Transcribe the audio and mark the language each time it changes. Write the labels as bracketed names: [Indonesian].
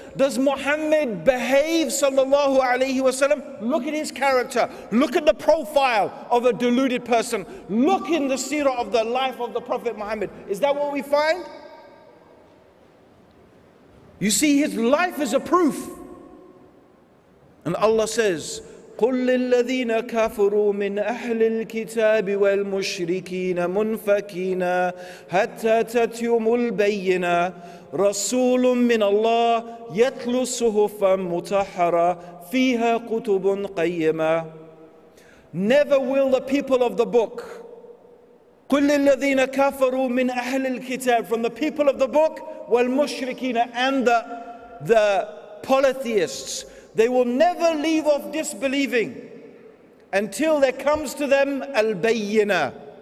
[English] Does Muhammad behave, sallallahu alayhi wasallam? Look at his character. Look at the profile of a deluded person. Look in the seerah of the life of the Prophet Muhammad. Is that what we find? You see, his life is a proof. [Arabic] And Allah says, قُلْ لِلَّذِينَ كَفُرُوا مِنْ أَهْلِ الْكِتَابِ وَالْمُشْرِكِينَ مُنْفَكِينَ حَتَّى تَتْيُمُ الْبَيِّنَةِ رَسُولٌ مِّنَ اللَّهِ يَتْلُو صُحُفًا مُتَحَّرًا فِيهَا قُتُبٌ قَيِّمًا. [English] Never will the people of the book, [Arabic] قُلْ لِلَّذِينَ كَفَرُوا مِنْ أَهْلِ الْكِتَابِ, [English] from the people of the book, وَالْمُشْرِكِينَ, and the polytheists, they will never leave off disbelieving until there comes to them al-bayyina.